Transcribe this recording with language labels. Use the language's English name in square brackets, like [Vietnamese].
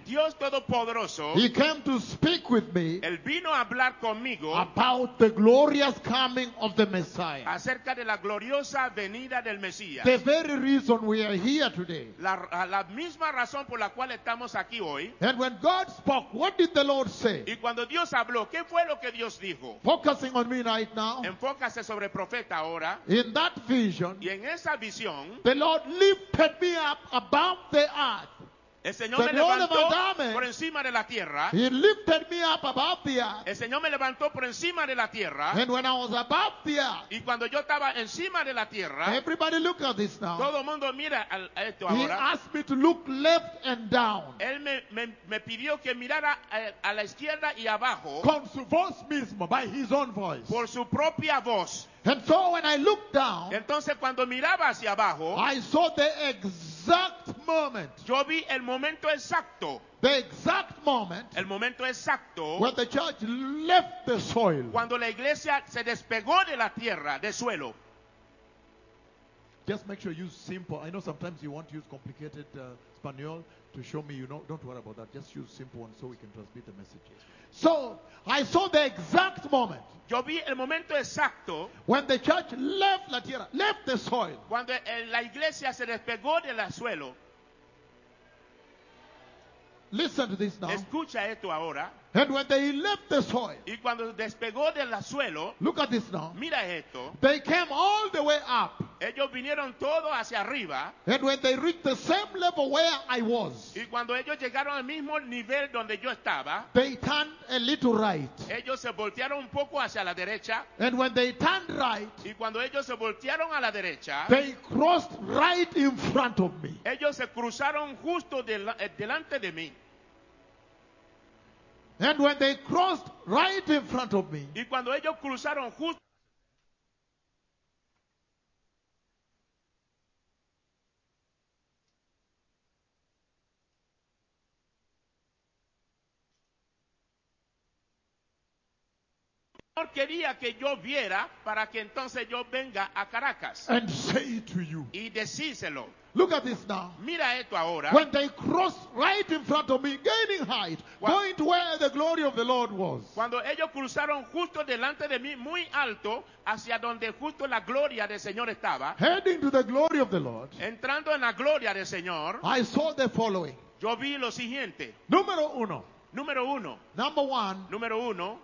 [Spanish] Dios Todopoderoso, [English] He came to speak with me, [Spanish] él vino a hablar conmigo, [English] about the glorious coming of the Messiah. [Spanish] Acerca de la gloriosa venida del Mesías. [English] The very reason we are here today. [Spanish] La misma razón por la cual estamos aquí hoy. [English] And when God spoke, what did the Lord say? [Spanish] Y cuando Dios habló, ¿qué fue lo que Dios dijo? [English] Focusing on me right now. [Spanish] Enfócase sobre el profeta ahora. [English] In that vision, [Spanish] y en esa visión, [English] the Lord lifted me up above the earth. [Spanish] El Señor me levantó por encima de la tierra. [English] He lifted me up above the earth. [Spanish] El Señor me levantó por encima de la tierra. [English] And when I was above the earth. [Spanish] Y cuando yo estaba encima de la tierra. [English] Everybody look at this now. [Spanish] Todo mundo mira esto ahora. [English] He asked me to look left and down. [Spanish] Él me pidió que mirara a la izquierda y abajo. Con su voz mismo, [English] by his own voice. [Spanish] Por su propia voz. [English] And so when I looked down, [Spanish] entonces cuando miraba hacia abajo, [English] I saw the exact moment. [Spanish] Yo vi el momento exacto. [English] The exact moment. [Spanish] El momento exacto. [English] When the church left the soil. [Spanish] Cuando la iglesia se despegó de la tierra, de suelo. [English] Just make sure you use simple. I know sometimes you want to use complicated Spanish to show me, you know, don't worry about that. Just use simple ones so we can transmit the messages. So, I saw the exact moment. [Spanish] Yo vi el momento exacto. [English] When the church left [Spanish] la tierra, [English] left the soil. [Spanish] Cuando la iglesia se despegó del suelo. [English] Listen to this now. [Spanish] Escucha esto ahora. [English] And when they left the soil. [Spanish] Y cuando despegó del suelo. [English] Look at this now. [Spanish] Mira esto. [English] They came all the way up. [Spanish] Ellos vinieron todo hacia arriba. [English] And when they reached the same level where I was. [Spanish] Y cuando ellos llegaron al mismo nivel donde yo estaba. [English] They turned a little right. [Spanish] Ellos se voltearon un poco hacia la derecha. [English] And when they turned right. [Spanish] Y cuando ellos se voltearon a la derecha. [English] They crossed right in front of me. [Spanish] Ellos se cruzaron justo delante de mí. [English] And when they crossed right in front of me. [Spanish] Y cuando ellos cruzaron justo. Quería que yo viera para que entonces yo venga a Caracas. [English] And say it to you. [Spanish] Y decírselo. [English] Look at this now. [Spanish] Mira esto ahora. [English] When they crossed right in front of me, gaining height, going to where the glory of the Lord was. [Spanish] Cuando ellos cruzaron justo delante de mí, muy alto, hacia donde justo la gloria del Señor estaba. [English] Heading to the glory of the Lord. [Spanish] Entrando en la gloria del Señor. [English] I saw the following. [Spanish] Yo vi lo siguiente. Número uno. Número uno. [English] Number one. [Spanish] Número uno.